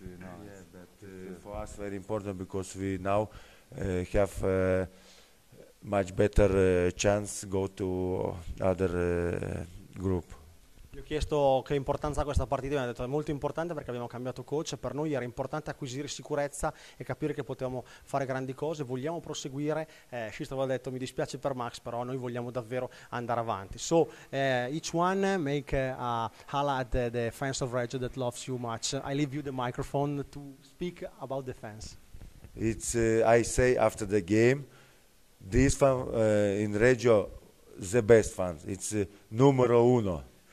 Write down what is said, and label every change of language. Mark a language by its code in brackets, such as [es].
[en] yeah, but for us very important, because we now have much better chance go to other group. [it] Gli ho chiesto che importanza ha questa partita, mi ha detto è molto importante perché abbiamo cambiato coach, per noi era importante acquisire sicurezza e capire che potevamo fare grandi cose, vogliamo proseguire. Scistova ha detto mi dispiace per Max, però noi vogliamo davvero andare avanti. [en] So each one make a holla at the fans of Reggio that loves you much. I leave you the microphone to speak about the fans. It's I say after the game, this fan in Reggio the best fans, it's [it] numero uno.